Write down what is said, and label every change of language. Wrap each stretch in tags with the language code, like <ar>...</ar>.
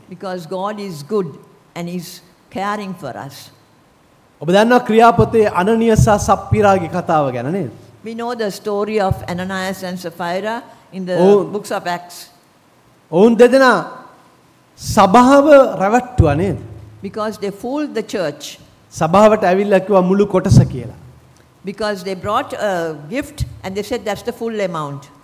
<en>Because God is good and he's caring for us.</en> <si>ඔබ දන්නවා ක්‍රියාපතේ අනනියස සප්පිරාගේ කතාව ගැන නේද?</si> <en>We know the story of Ananias and Sapphira in the books of Acts.</en> <si>ඔවුන් දෙදෙනා සභාව රැවට්ටුවා නේද?</si> <en>Because they fooled the church.</en> <si>සභාවට ඇවිල්ලා කිව්වා මුළු කොටස කියලා.</si> <en>Because they brought a gift and they said that's the full amount.</en>